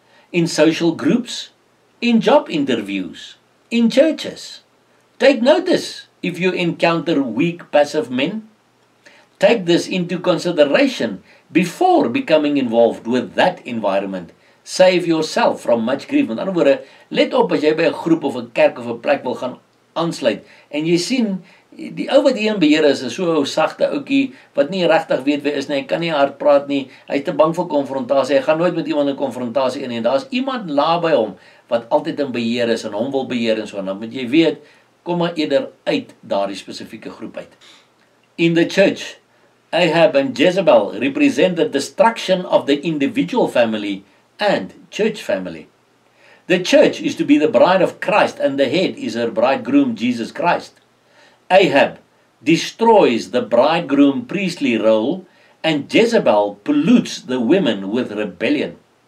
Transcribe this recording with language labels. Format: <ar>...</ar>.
<en>In social groups, in job interviews, in churches. Take notice if you encounter weak, passive men. Take this into consideration before becoming involved with that environment. Save yourself from much grief.</en> <af>Met ander woorde, let op as jy by 'n groep of 'n kerk of 'n plek wil gaan aansluit en jy sien die ou wat hier in beheer is, is so 'n sagte ouetjie, wat nie regtig weet wie is nie, hy kan nie hard praat nie, hy is te bang vir konfrontasie, hy gaan nooit met iemand in konfrontasie in, en daar is iemand naby hom, wat altyd in beheer is, en hom wil beheer en so, dan moet jy weet, kom maar eerder uit daardie spesifieke groep uit.</af> <en>In the church, Ahab and Jezebel represent the destruction of the individual family and church family. The church is to be the bride of Christ, and the head is her bridegroom, Jesus Christ. Ahab destroys the bridegroom priestly role, and Jezebel pollutes the women with rebellion.</en>